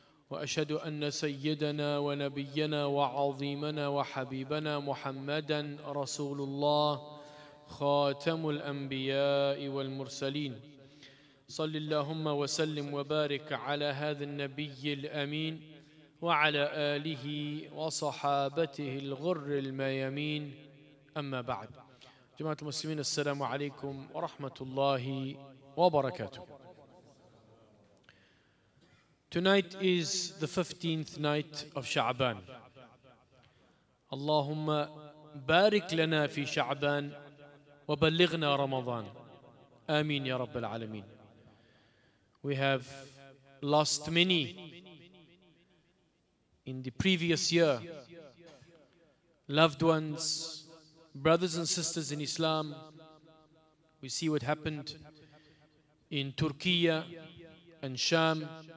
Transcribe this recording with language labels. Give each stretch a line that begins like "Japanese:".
Arabic: وأشهد أن سيدنا ونبينا وعظيمنا وحبيبنا محمدًا رسول الله خاتم الأنبياء والمرسلين صل اللهم وسلم وبارك على هذا النبي الأمين وعلى آله وصحابته الغر الميامين أما بعد جماعة المسلمين السلام عليكم ورحمة الله وبركاته.
English: Tonight is the 15th night of Sha'ban.
Arabic: اللهم بارك لنا في شعبان وبلغنا رمضان آمين يا رب العالمين.
English: We have lost many in the previous year, loved ones, brothers and sisters in Islam. We see what happened in Turkey and Sham.